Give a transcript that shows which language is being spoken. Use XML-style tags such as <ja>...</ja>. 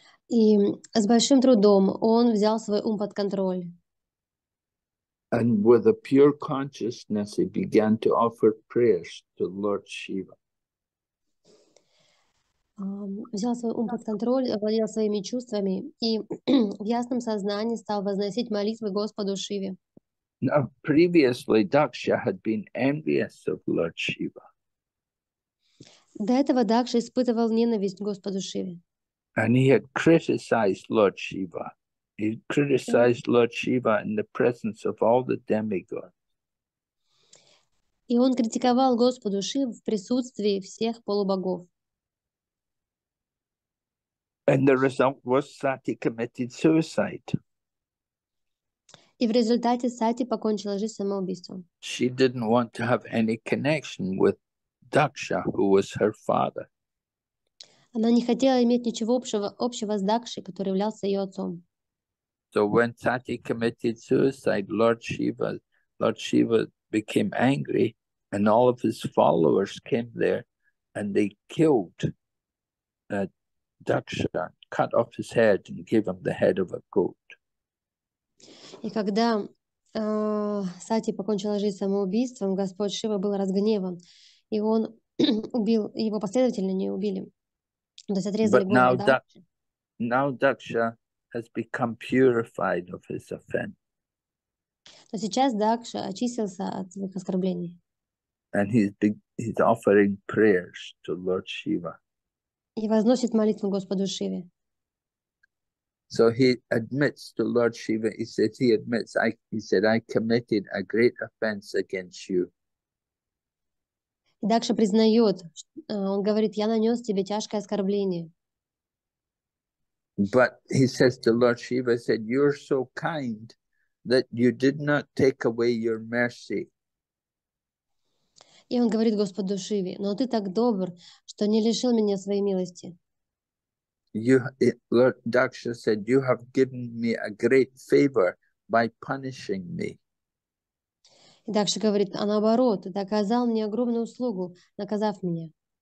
<ru>И с большим трудом он взял свой ум под контроль.</ru> <en>And with a pure consciousness, he began to offer prayers to Lord Shiva.</en> <ru>Взял свой ум под контроль, овладел своими чувствами и в ясном сознании стал возносить молитвы Господу Шиве.</ru> <en>Now, previously, Daksha had been envious of Lord Shiva.</en> <ru>До этого Дакша испытывал ненависть к Господу Шиве.</ru> <en>And he had criticized Lord Shiva. He criticized Lord Shiva in the presence of all the demigods.</en> <ru>И он критиковал Господу Шиву в присутствии всех полубогов.</ru> <en>And the result was Sati committed suicide.</en> <ru>И в результате Сати покончила жизнь самоубийством.</ru> <en>She didn't want to have any connection with Daksha, who was her father.</en> <ru>Она не хотела иметь ничего общего с Дакшей, который являлся ее отцом.</ru> <en>So when Sati committed suicide, Lord Shiva became angry, and all of his followers came there, and they killed Daksha, cut off his head, and gave him the head of a goat.</en> <ru>И когда Сати покончила жизнь самоубийством, Господь Шива был разгневан, и он убил его последователей, не убили, то есть отрезали</ru> <en>But</en> <ru>голову Дакши.</ru> <en>now Daksha has become purified of his offense.</en> <ru>Но сейчас Дакша очистился от своих оскорблений.</ru> <en>And he's offering prayers to Lord Shiva.</en> <ru>И возносит молитву Господу Шиве.</ru> <en>So he admits to Lord Shiva, he said, I committed a great offense against you.</en> <ru>И Дакша признает, он говорит, я нанес тебе тяжкое оскорбление.</ru> <en>But he says to Lord Shiva, he said, you're so kind that you did not take away your mercy.</en> <ru>И он говорит Господу Шиве, но ты так добр, что не лишил меня своей милости.</ru> <en>Lord Daksha said, you have given me a great favor by punishing me.</en> <ru>И Дакша говорит, а наоборот, ты оказал мне огромную услугу, наказав меня.</ru>